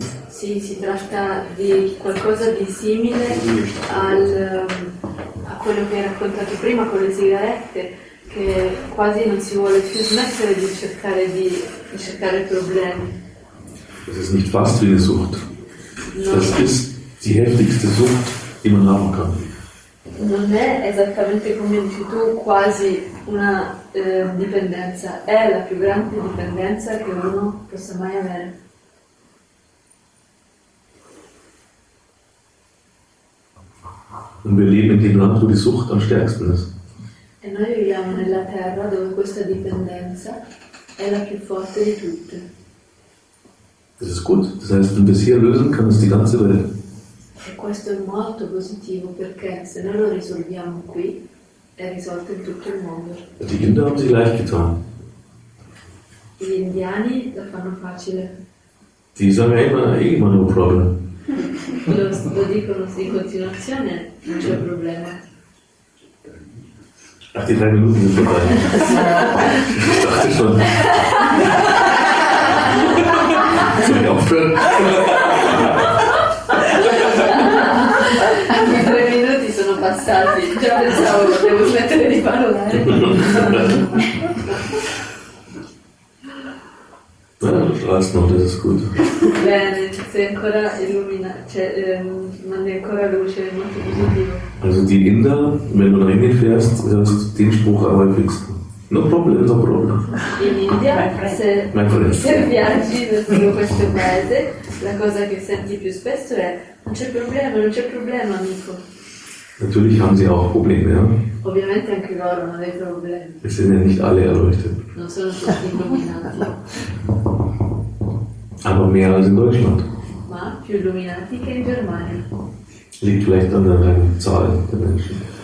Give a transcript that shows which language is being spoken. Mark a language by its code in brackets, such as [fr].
[it] Sì, si tratta di qualcosa di simile al a quello che hai raccontato prima con le sigarette, che quasi non si vuole più smettere di cercare problemi. [de] Das ist nicht fast wie eine Sucht. No. Das ist die heftigste Sucht, die man haben kann. [it] Non è esattamente come dici tu, quasi una dipendenza, è la più grande dipendenza che uno possa mai avere. [de] Und wir leben in dem Land, wo die Sucht am stärksten ist. [it] E noi viviamo nella terra dove questa dipendenza è la più forte di tutte. [de] Das ist gut. Das heißt, wenn wir es hier lösen, kann es die ganze Welt. [it] E questo è molto positivo perché se noi lo risolviamo qui è risolto in tutto il mondo. [de] Die Inder haben sich leicht getan. [it] Gli indiani lo fanno facile. [de] Die sagen immer [en] no problem. [it] Lo dicono in continuazione, non c'è problema. [de] Ach, die 3 Minuten sind vorbei. Ich dachte schon. Soll ich aufhören? alles, aber der muss nicht in die Wanne rein. Ja, das reißt noch, das ist gut. [it] Bene, c'è ancora illuminato, c'è luce, è molto positivo. [de] Also die Inder, wenn du da hingefährst, hast du den Spruch am häufigsten. [en] No problem, no problem. [it] In India, se viaggi verso questo paese, la cosa che senti più spesso è non c'è problema, non c'è problema, amico. [de] Natürlich haben sie auch Probleme, ja? [it] Ovviamente anche loro hanno dei problemi. [de] Es sind ja nicht alle erleuchtet. [it] Non sono tutti illuminati. [de] Aber mehr als in Deutschland. [it] Ma più illuminati che in Germania. [de] Liegt vielleicht an der reinen Zahl der Menschen.